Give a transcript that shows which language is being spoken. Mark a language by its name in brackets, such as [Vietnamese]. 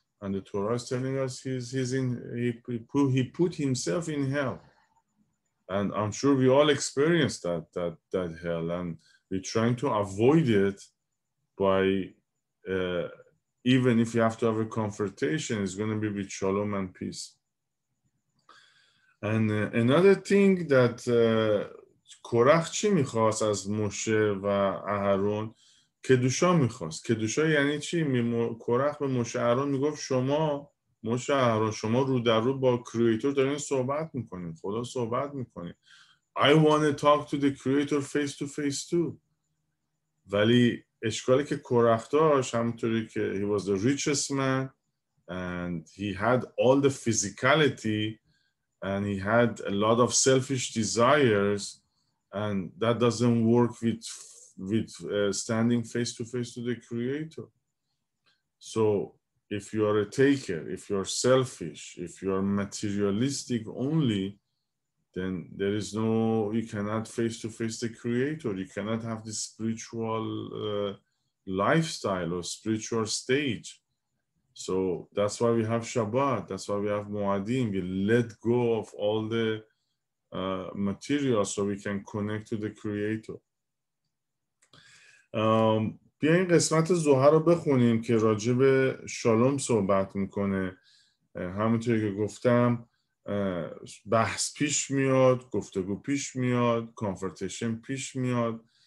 [English] And the Torah is telling us he put himself in hell. And I'm sure we all experienced that hell and we're trying to avoid it by even if you have to have a confrontation, it's going to be with shalom and peace. [Persian] And another thing that Korach چی میخواست از موشه و اهرون؟ کدوشا میخواست. کدوشا یعنی چی؟ Korach به موشه اهرون میگفت شما، موشه اهرون، شما رو در رو با کریئتور دارین صحبت میکنین، خدا صحبت میکنین. [English] I want to talk to the creator face to face too. ولی اشکالی که Korach داشت، همونطوری که he was the richest man and he had all the physicality and he had a lot of selfish desires and that doesn't work with standing face to face to the creator. So if you are a taker, if you are selfish, if you are materialistic only, then there is no, you cannot face to face the creator, you cannot have this spiritual lifestyle or spiritual stage. So that's why we have Shabbat, that's why we have Mo'adim, we let go of all the material so we can connect to the creator. [Persian] بیاین قسمت زوهر رو بخونیم که راجع به شالوم صحبت میکنه. همونطور که گفتم بحث پیش میاد، گفتگو پیش میاد، کانفرتیشن پیش میاد.